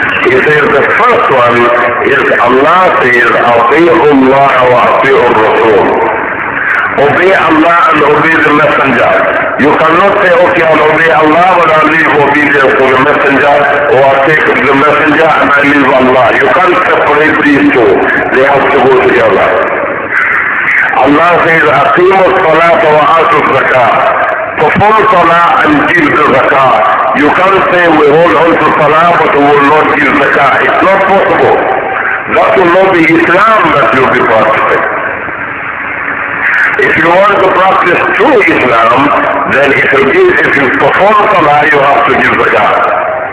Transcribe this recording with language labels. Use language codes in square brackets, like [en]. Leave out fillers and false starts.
[en] He says the first one is, Allah says, [ar] أَطِيعُ اللَّهَ وَأَطِيعُ الرَّسُولِ. [en] Obey Allah and obey the Messenger. You cannot say, okay, I'll obey Allah, but I'll leave obedience for the Messenger, or I'll take the Messenger and I'll leave Allah. You can't separate these two. They have to go together. Allah says, [ar] أَقِيمُ الصَّلَاةَ وَآتُ الزَّكَاةَ. [en] Perform Salah and give the Zakah. You can't say we hold on to Salah but we will not give Zakah. It's not possible. That will not be Islam that you'll be practicing. If you want to practice true Islam, then if you perform Salah, you have to give Zakah.